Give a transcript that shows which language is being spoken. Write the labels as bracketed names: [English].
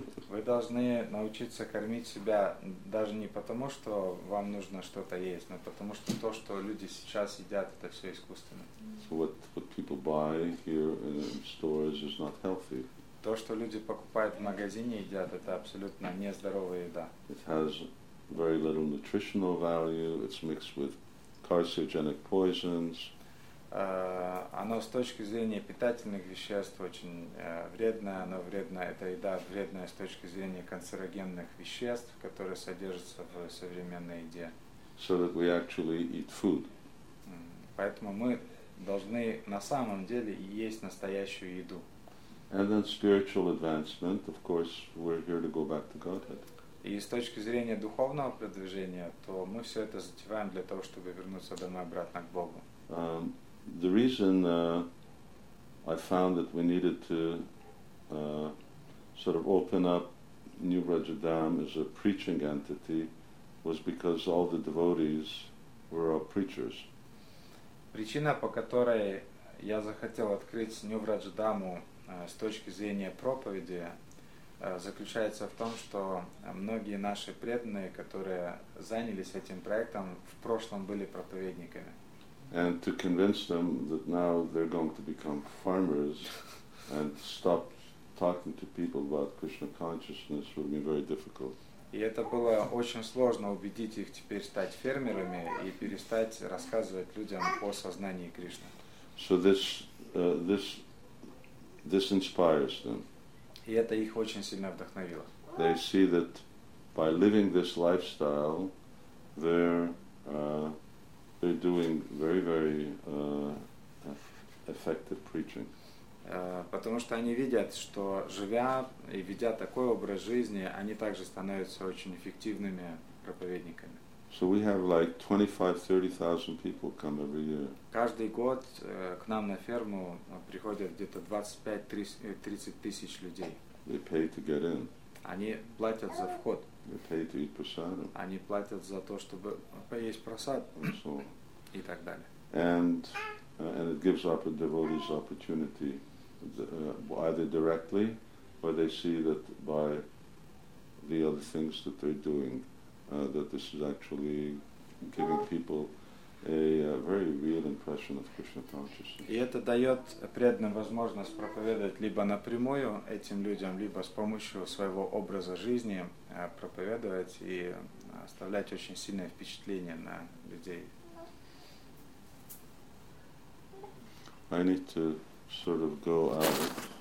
[Russian] Вы должны научиться кормить себя даже не потому, что вам нужно что-то есть, но потому что то, что люди сейчас едят, это все искусственно. [English] So what people buy here in stores is not healthy. [Russian] То, что люди покупают в магазине, едят, это абсолютно нездоровая еда. [English] It has very little nutritional value. It's mixed with carcinogenic poisons. [Russian] Оно с точки зрения питательных веществ очень вредное. Оно вредное. Эта еда вредная с точки зрения канцерогенных веществ, которые содержатся в современной еде. [English] So that we actually eat food. [Russian] Поэтому мы должны на самом деле есть настоящую еду. [English] And then spiritual advancement, of course, we're here to go back to Godhead. [Russian] И с точки зрения духовного продвижения, то мы все это затеваем для того, чтобы вернуться домой обратно к Богу. [English] The reason I found that we needed to sort of open up New Rajadham as a preaching entity was because all the devotees were all preachers. [Russian] Причина, по которой я захотел открыть New Rajadham с точки зрения проповеди, заключается в том, что многие наши преданные, которые занялись этим проектом, в прошлом были проповедниками. [English] And to convince them that now they're going to become farmers and stop talking to people about Krishna consciousness would be very difficult. [Russian] И это было очень сложно убедить их теперь стать фермерами и перестать рассказывать людям о сознании Кришны. [English] So this inspires them. [Russian] И это их очень сильно вдохновило. [English] They see that by living this lifestyle, they're doing very, very effective preaching. [Russian] Потому что они видят, что живя и ведя такой образ жизни, они также становятся очень эффективными проповедниками. [English] So we have like 25-30,000 people come every year. [Russian] Каждый год к нам на ферму приходят где-то 25-30 тысяч людей. [English] They pay to get in. [Russian] Они платят за вход. [English] They pay to eat prasadam. [Russian] Они платят за то, чтобы поесть прасад. [English] And so on. [Russian] И так далее. [English] And it gives our devotees opportunity either directly or they see that by the other things that they're doing that this is actually giving people a very real impression of Krishna consciousness. [Russian] И это дает преданным возможность проповедовать либо напрямую этим людям, либо с помощью своего образа жизни проповедовать и оставлять очень сильное впечатление на людей. [English] I need to sort of go out.